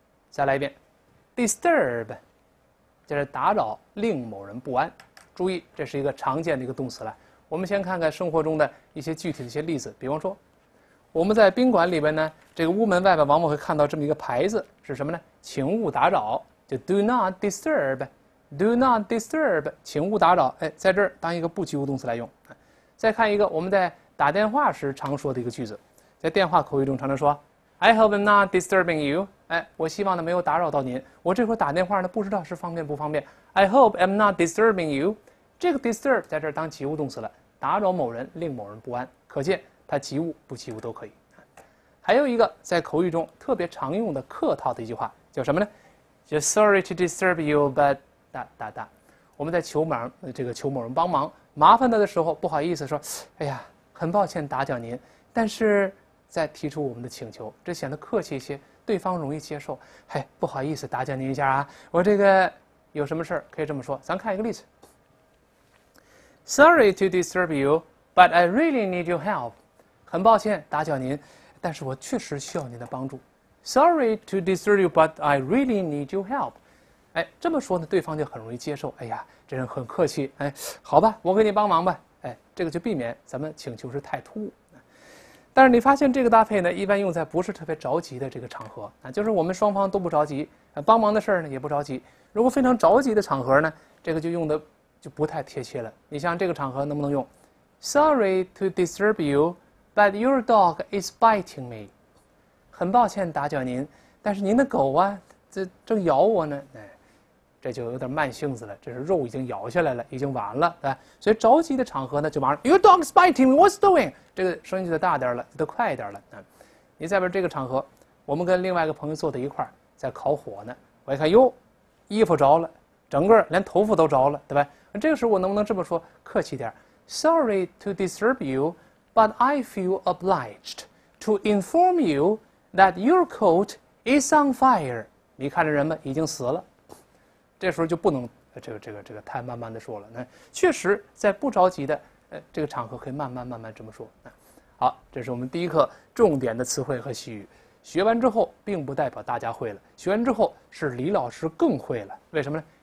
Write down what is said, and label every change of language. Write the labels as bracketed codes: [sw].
[zh] 再来一遍 disturb，就是打扰令某人不安。注意，这是一个常见的一个动词了。我们先看看生活中的一些具体的一些例子，比方说。我们在宾馆里边呢，这个屋门外边往往会看到这么一个牌子，是什么呢？请勿打扰，就 [en] do not disturb，do not disturb， [zh] 请勿打扰。哎，在这儿当一个不及物动词来用。再看一个，我们在打电话时常说的一个句子，在电话口语中常常说， [en] I hope I'm not disturbing you。 [zh] 哎，我希望呢没有打扰到您。我这会儿打电话呢，不知道是方便不方便。 [en] I hope I'm not disturbing you。 [zh] 这个 disturb 在这儿当及物动词了，打扰某人，令某人不安。可见。它及物不及物都可以，还有一个在口语中特别常用的客套的一句话叫什么呢？ [en] Just sorry to disturb you, but [zh] 哒哒哒。我们在求某人帮忙、麻烦他的时候，不好意思说："哎呀，很抱歉打搅您。" 但是在提出我们的请求，这显得客气一些，对方容易接受。嘿，不好意思打搅您一下啊，我这个有什么事儿可以这么说。咱看一个例子： [en] Sorry to disturb you, but I really need your help. [zh] 很抱歉打搅您，但是我确实需要您的帮助。 [en] Sorry to disturb you, but I really need your help。 [zh] 哎，这么说呢，对方就很容易接受。哎呀，这人很客气。哎，好吧，我给你帮忙吧。哎，这个就避免咱们请求是太突兀。但是你发现这个搭配呢，一般用在不是特别着急的这个场合啊，就是我们双方都不着急，帮忙的事儿呢也不着急。如果非常着急的场合呢，这个就用的就不太贴切了。你像这个场合能不能用？ [en] Sorry to disturb you。 But your dog is biting me。 [zh] 很抱歉打搅您，但是您的狗啊，这正咬我呢。哎，这就有点慢性子了，这是肉已经咬下来了，已经完了，对吧？所以着急的场合呢，就马上 [en] Your dog is biting me. What's doing？ [zh] 这个声音就得大点了，得快一点了。你在这个场合，我们跟另外一个朋友坐在一块儿，在烤火呢。我一看，哟，衣服着了，整个连头发都着了，对吧？这个时候我能不能这么说，客气点？ [en] Sorry to disturb you。 But I feel obliged to inform you that your coat is on fire。 [zh] 你看着人们已经死了，这时候就不能这个太慢慢的说了。那确实在不着急的这个场合可以慢慢这么说。好，这是我们第一课重点的词汇和习语。学完之后并不代表大家会了，学完之后是李老师更会了。为什么呢？